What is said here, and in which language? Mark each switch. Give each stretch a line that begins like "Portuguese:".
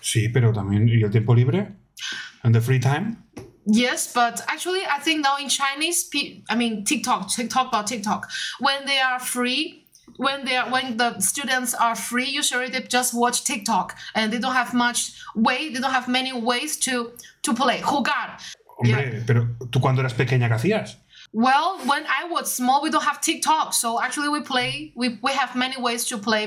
Spanish: sí, pero también ¿y el tiempo libre?
English: And the free time? Yes, but actually, I think now in Chinese, I mean TikTok about TikTok. When the students are free, usually they just watch TikTok and they don't have much way. They don't have many ways to play. Jugar.
Spanish: Hombre, pero ¿tú cuando eras pequeña qué hacías?
English: Well, when I was small, we don't have TikTok, so actually we have many ways to play.